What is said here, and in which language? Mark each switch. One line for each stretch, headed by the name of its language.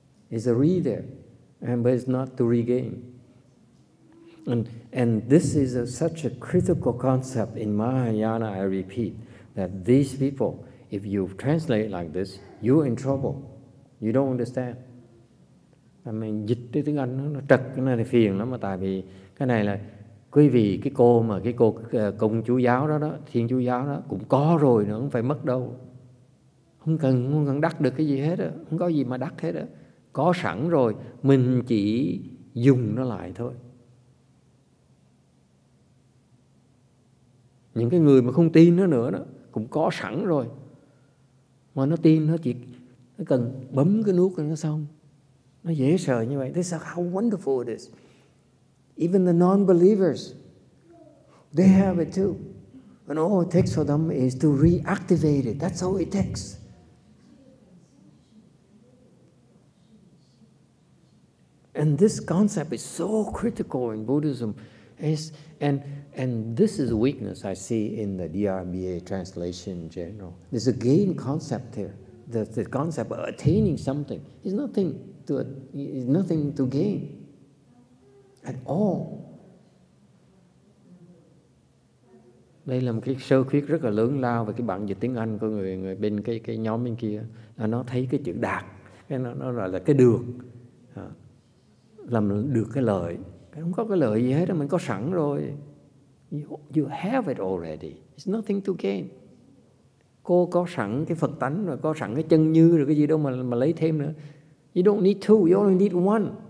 English: It's a re there, and but it's not to regain. And this is such a critical concept in Mahayana, I repeat, that these people, if you translate like this, you're in trouble. You don't understand. I mean,
Vietnamese: dịch cái tiếng Anh nó trật, cái này phiền lắm. Mà tại vì cái này là quý vị, cái cô mà, cái cô công chú giáo đó, thiên chú giáo đó, cũng có rồi nữa, không phải mất đâu. Không cần đắc được cái gì hết á, không có gì mà đắc hết á. Có sẵn rồi, mình chỉ dùng nó lại thôi. Những cái người mà không tin nó nữa đó cũng có sẵn rồi, mà nó tin nó cần bấm cái nút là nó xong, nó dễ sợ như vậy.
English: This is how wonderful it is. Even the non-believers, they have it too. And all it takes for them is to reactivate it. That's all it takes. And this concept is so critical in Buddhism. And this is a weakness I see in the DRBA translation in general. There's a gain concept here. The concept of attaining something is nothing to gain at all.
Vietnamese: Đây là một cái sơ khuyết rất là lớn lao về cái bản dịch tiếng Anh của người bên cái nhóm bên kia. Nó thấy cái chữ đạt, nó gọi là cái được, làm được cái lợi. Không có cái lợi gì hết, mình có sẵn rồi.
English: You have it already. It's nothing to gain.
Vietnamese: Cô có sẵn cái Phật tánh rồi, có sẵn cái chân như rồi, cái gì đâu mà lấy thêm nữa.
English: You don't need two, you only need one.